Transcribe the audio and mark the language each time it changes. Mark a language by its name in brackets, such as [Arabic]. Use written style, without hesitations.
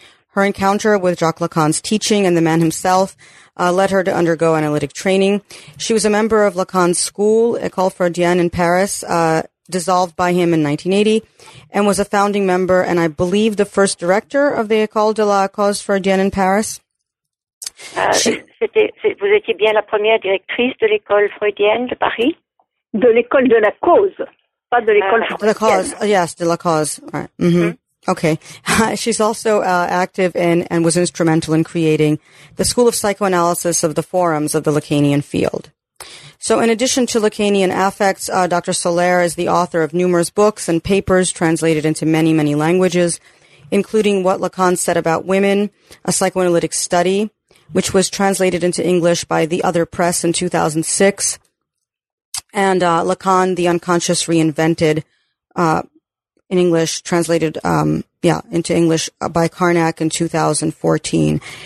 [English] Her encounter with Jacques Lacan's teaching and the man himself led her to undergo analytic training. She was a member of Lacan's school, École Freudienne in Paris, dissolved by him in 1980, and was a founding member and I believe the first director of the École de la Cause Freudienne in Paris. [French] Vous étiez bien la première directrice de l'école freudienne de Paris? De l'école de la cause, pas de l'école freudienne. De la cause, [English] yes, [French] de la cause. [English] All right. Mm-hmm. Okay. She's also active in and was instrumental in creating the School of Psychoanalysis of the Forums of the Lacanian Field. So in addition to Lacanian Affects, Dr. Solaire is the author of numerous books and papers translated into many, many languages, including What Lacan Said About Women, A Psychoanalytic Study, which was translated into English by The Other Press in 2006, and Lacan, The Unconscious Reinvented, in English, translated into English by Carnac in 2014.